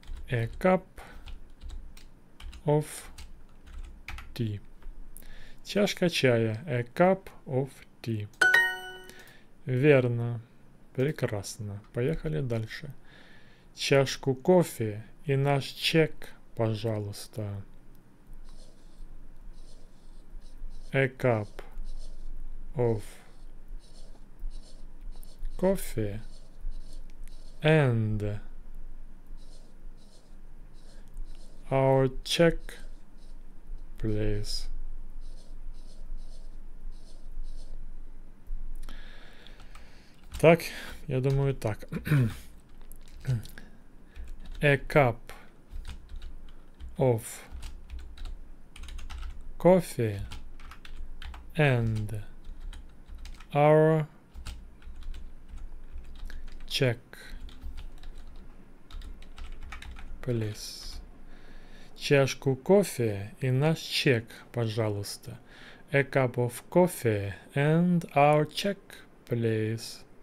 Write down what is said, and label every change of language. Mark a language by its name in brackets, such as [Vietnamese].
[English] A cup of tea. [Russian] Чашка чая. [English] A cup of tea. [Russian] Верно. Прекрасно. Поехали дальше. Чашку кофе и наш чек, пожалуйста. [English] A cup of coffee and our check, please. [Russian] Так, я думаю, так. [English] A cup of coffee and our check, please. [Russian] Чашку кофе и наш чек, пожалуйста. [English] A cup of coffee and our check, please.